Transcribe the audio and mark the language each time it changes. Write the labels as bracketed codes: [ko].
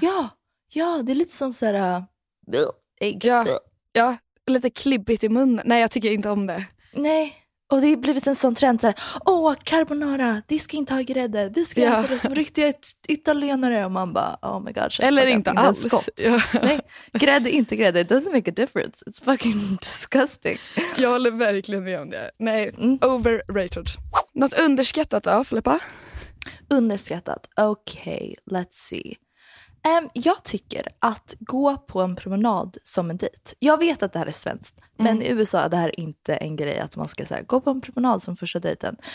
[sv] Ja, ja, det är lite som så här ägg. Ja, ja, lite klibbigt i munnen. Nej, jag tycker inte om det. Nej, och det har blivit en sån trend så här. Åh, carbonara, det ska inte ha grädde. Vi ska äta det som riktiga italienare. Och man bara, [en] oh my god. [sv] Eller inte alls. Ja. Nej, grädde, inte grädde. [en] It doesn't make a difference. It's fucking disgusting. [sv] Jag håller verkligen med om det. Nej, overrated. Något underskattat då, Filippa? Underskattat, okej, [en] okay, let's see. [sv] Jag tycker att gå på en promenad som en dejt. Jag vet att det här är svenskt, men i USA är det här inte en grej att man ska så här, gå på en promenad som första dejten.